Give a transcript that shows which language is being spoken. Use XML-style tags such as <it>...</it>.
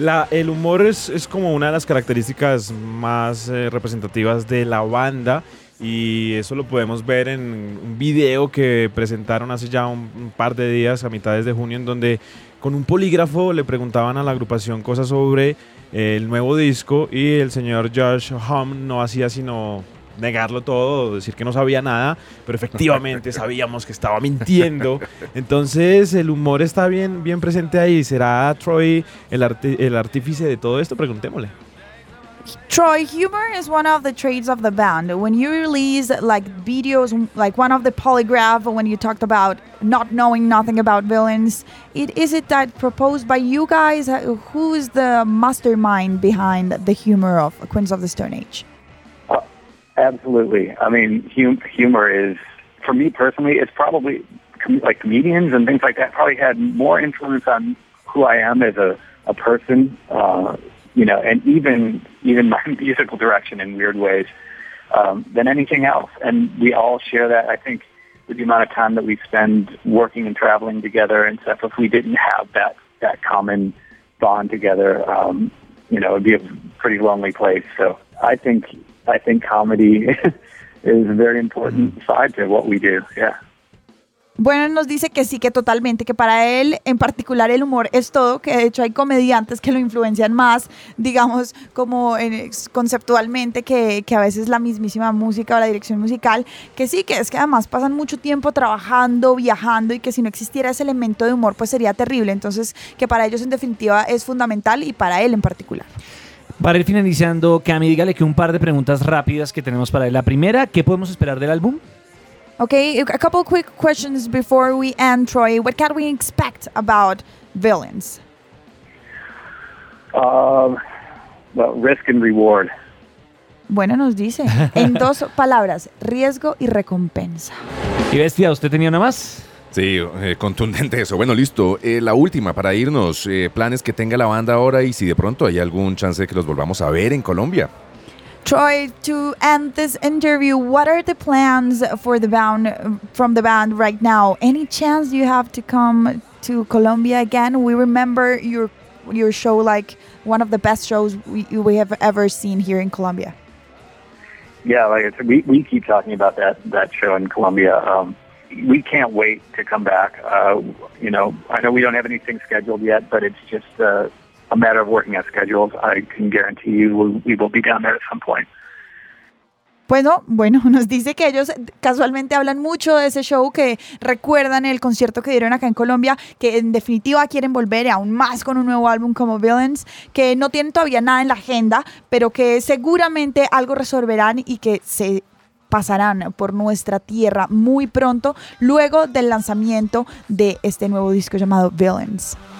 <es>El humor es como una de las características más representativas de la banda, y eso lo podemos ver en un video que presentaron hace ya un par de días, a mitades de junio, en donde con un polígrafo le preguntaban a la agrupación cosas sobre el nuevo disco, y el señor Josh Homme no hacía sino negarlo todo, decir que no sabía nada, pero efectivamente sabíamos que estaba mintiendo. Entonces el humor está bien, bien presente ahí. ¿Será Troy el artífice de todo esto? Preguntémosle.</es> <en>Troy, humor is one of the traits of the band. When you release like videos, like one of the polygraph, when you talked about not knowing nothing about villains, is it that proposed by you guys? Who is the mastermind behind the humor of Queens of the Stone Age? Absolutely. I mean, humor is, for me personally, it's probably like comedians and things like that probably had more influence on who I am as a person, you know, and even my musical direction in weird ways than anything else. And we all share that, I think, with the amount of time that we spend working and traveling together and stuff. If we didn't have that common bond together, you know, it'd be a pretty lonely place. So I think comedy is a very important side to what we do, yeah.</en> <es>Bueno, nos dice que sí, que totalmente, que para él en particular el humor es todo, que de hecho hay comediantes que lo influencian más, digamos, como conceptualmente, que a veces la mismísima música o la dirección musical, que sí, que es que además pasan mucho tiempo trabajando, viajando, y que si no existiera ese elemento de humor, pues sería terrible. Entonces, que para ellos en definitiva es fundamental, y para él en particular. Para ir finalizando, Cami, dígale que un par de preguntas rápidas que tenemos para él. La primera, ¿qué podemos esperar del álbum?</es> <en>Okay, a couple quick questions before we end, Troy. What can we expect about Villains? Well, risk and reward.</en> <es>Bueno, nos dice. En dos palabras, riesgo y recompensa. Y bestia, ¿usted tenía una más? Sí, contundente eso. Bueno, listo. La última para irnos. ¿Planes que tenga la banda ahora y si de pronto hay algún chance de que los volvamos a ver en Colombia?</es> <en>Troy, to end this interview, what are the plans for the band from the band right now? Any chance you have to come to Colombia again? We remember your show like one of the best shows we have ever seen here in Colombia. Yeah, like we keep talking about that show in Colombia. We can't wait to come back. You know, I know we don't have anything scheduled yet, but it's just a matter of working out schedules. I can guarantee you we will be down there at some point.</en> <es>Bueno, nos dice que ellos casualmente hablan mucho de ese show, que recuerdan el concierto que dieron acá en Colombia, que en definitiva quieren volver aún más con un nuevo álbum como Villains, que no tienen todavía nada en la agenda, pero que seguramente algo resolverán y que se pasarán por nuestra tierra muy pronto, luego del lanzamiento de este nuevo disco llamado Villains.</es>